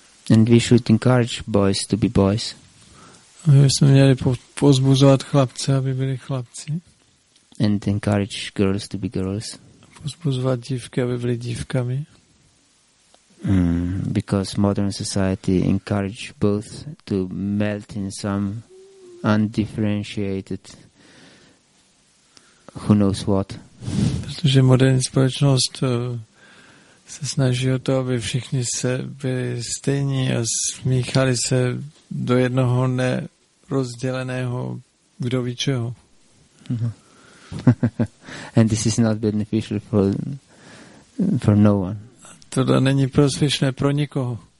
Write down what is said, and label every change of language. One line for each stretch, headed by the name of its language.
English: And we should encourage boys to be boys.
Czech: A my bychom měli pozbuzovat chlapce, aby byli chlapci.
English: And encourage girls to be girls.
Czech: Pozbuzovat dívky, aby byly dívkami.
English: Because modern society encourages both to melt in some undifferentiated who knows what.
Czech: Protože moderní společnost se snaží o to, aby všichni se byli stejní a smíchali se do jednoho nerozděleného kdo ví čeho.
English: And this is not beneficial for no one.
Czech: Tohle není prospěšné pro nikoho.